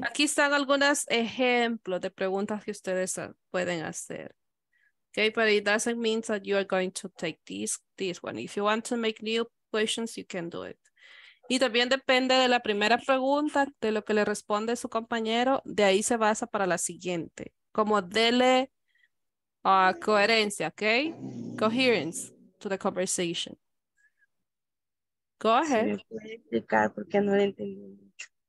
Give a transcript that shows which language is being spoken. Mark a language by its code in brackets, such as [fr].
[es] Aquí están algunos ejemplos de preguntas que ustedes pueden hacer. [en] Okay, but it doesn't mean that you are going to take this one. If you want to make new questions, you can do it. [es] Y también depende de la primera pregunta, de lo que le responde su compañero, de ahí se basa para la siguiente. Como dele coherencia, okay? [en] Coherence to the conversation. Go ahead. [es] ¿Me puede explicar por qué no le entendí mucho?